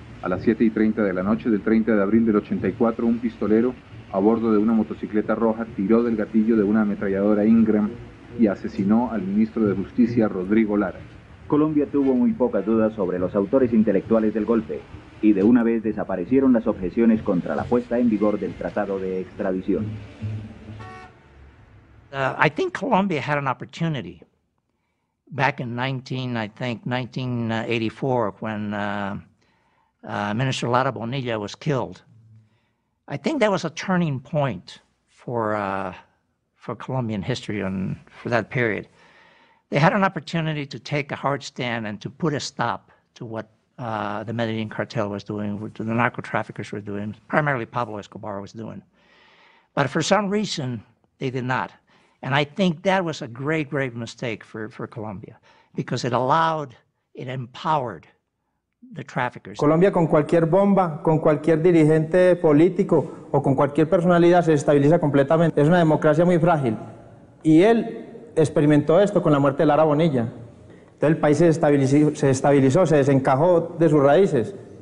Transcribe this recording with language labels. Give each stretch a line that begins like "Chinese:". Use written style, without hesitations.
Spanish: A las 7:30 de la noche del 30 de abril del 84, un pistolero a bordo de una motocicleta roja tiró del gatillo de una ametralladora Ingram y asesinó al ministro de Justicia, Rodrigo Lara. Colombia tuvo muy pocas dudas sobre los autores intelectuales del golpe y de una vez desaparecieron las objeciones contra la puesta en vigor del tratado de extradición.
English: I think Colombia had an opportunity back in 1984 when Minister Lara Bonilla was killed. I think that was a turning point for Colombian history and for that period. They had an opportunity to take a hard stand and to put a stop to what the Medellin cartel was doing, what the narcotraffickers were doing, primarily Pablo Escobar was doing. But for some reason, they did not. And I think that was a great, great mistake for Colombia, because it allowed, it empowered the traffickers.
Spanish: Colombia con cualquier bomba, con cualquier dirigente político o con cualquier personalidad se estabiliza completamente. Es una democracia muy frágil. Y él experimentó esto con la muerte de Lara Bonilla. Entonces el país se estabilizó, se desencajó de sus raíces.